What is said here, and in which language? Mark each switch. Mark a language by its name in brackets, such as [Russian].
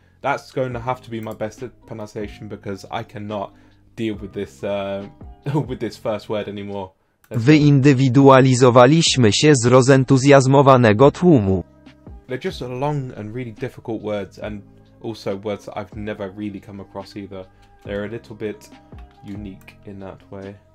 [English] That's going to have to be my best pronunciation because I cannot deal with this first word anymore. [Polish] Wyindywidualizowaliśmy się z rozentuzjazmowanego tłumu. [English] They're just long and really difficult words, and also words that I've never really come across either. They're a little bit unique in that way.